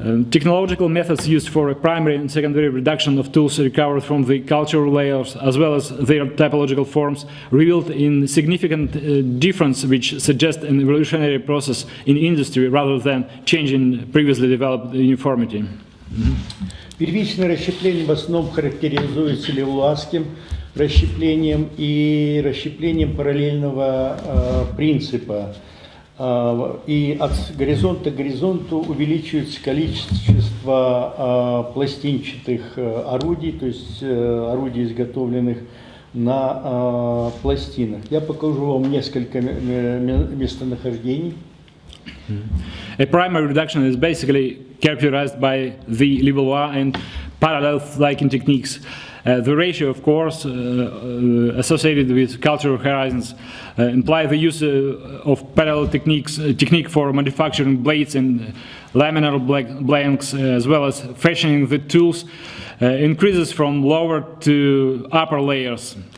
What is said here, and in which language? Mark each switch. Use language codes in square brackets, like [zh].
[en] Technological methods used for a primary and secondary reduction of tools recovered from the cultural layers, as well as their typological forms, revealed in significant difference which suggests an evolutionary process in industry rather than change in previously developed uniformity. [ru] Первичное расщепление в основном характеризуется левуласским расщеплением и расщеплением параллельного принципа. И от горизонта к горизонту увеличивается количество пластинчатых орудий, то есть орудий, изготовленных на пластинах. Я покажу вам несколько местонахождений. [en] A primary reduction is basically characterized by the Levallois and parallel flaking techniques. The ratio, of course, associated with cultural horizons, imply the use of parallel techniques, technique for manufacturing blades and laminar blanks, as well as fashioning the tools, increases from lower to upper layers.